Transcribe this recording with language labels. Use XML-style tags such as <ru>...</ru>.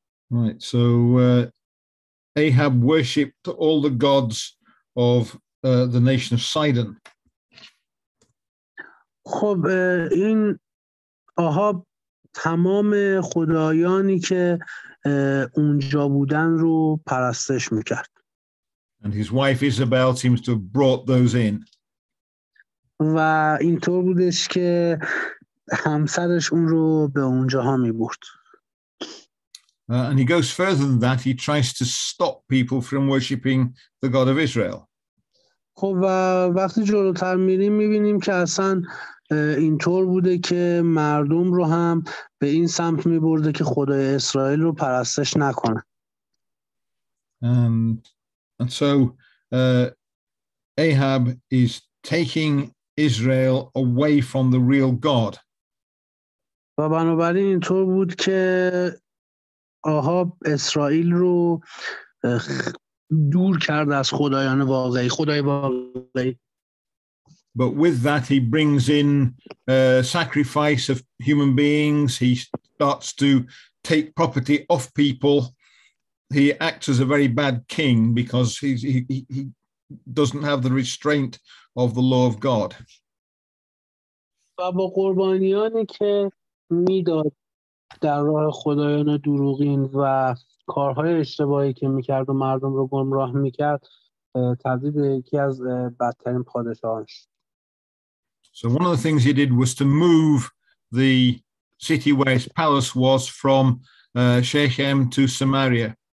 <en>Right, so Ahab worshipped all the gods of the nation of Sidon.</en> <fa>خب این آهاب تمام خدایانی که اونجا بودن رو پرستش میکرد.</fa> <en>And his wife Isabel seems to have brought those in.</en> <fa>و اینطور بودش که همسرش اون رو به اونجاها میبرد.</fa> <en>And he goes further than that. He tries to stop people from worshipping the God of Israel.</en> <fa>خب و وقتی جلوتر میریم میبینیم که اصلا اینطور بوده که مردم رو هم به این سمت میبرده که خدای اسرائیل رو پرستش نکنه.</fa> <en>And so Ahab is taking Israel away from the real God.</en> <fa>و بنابراین اینطور بود که آهاب اسرائیل رو دور کرد از خدایان واقعی، خدای واقعی.</fa> <en>But with that he brings in sacrifice of human beings. He starts to take property off people. He acts as a very bad king because he doesn't have the restraint of the law of God.</en> <fa>و با قربانیانی که میداد در راه خدایان دروغین و کارهای اشتباهی که میکرد و مردم رو گمراه میکرد تبدیل به یکی از بدترین پادشاهان شد.</fa> <en>So one of the things he did was to move the city where his palace was from Shechem to Samaria.</en>